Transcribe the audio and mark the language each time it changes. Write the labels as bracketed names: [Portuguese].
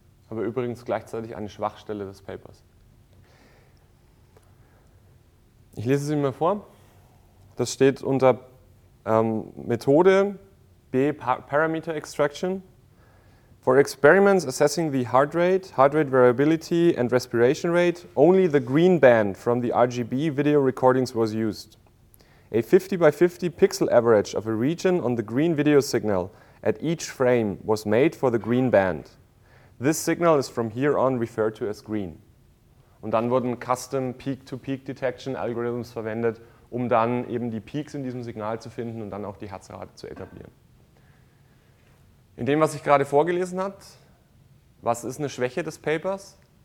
[German] Aber übrigens gleichzeitig eine Schwachstelle des Papers. Ich lese es Ihnen mal vor. Das steht unter Methode B, Parameter Extraction. [English] For experiments assessing the heart rate variability and respiration rate, only the green band from the RGB video recordings was used. A 50 by 50 pixel average of a region on the green video signal at each frame was made for the green band. This signal is from here on referred to as green. [German] Und dann wurden [English] custom peak-to-peak detection algorithms [German] verwendet, um dann eben die Peaks in diesem Signal zu finden und dann auch die Herzrate zu etablieren. In dem, was ich gerade vorgelesen habe, was ist eine Schwäche des Papers?